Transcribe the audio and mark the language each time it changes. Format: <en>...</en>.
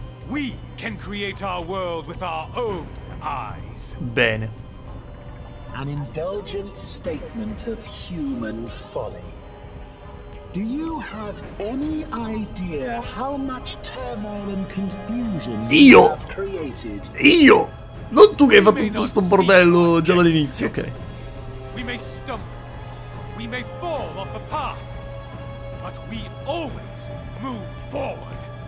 <en>We can create our world with our own eyes.</en> <it>Bene.</it> <en>An indulgent statement of human folly. Do you have any idea how much turmoil and confusion</en> <it>io</it> <en>have created?</en> <it>Io! Non tu che hai fatto tutto sto bordello già dall'inizio, ok.</it> <en>We may stumble, we may fall off the path, but we always move forward.</en>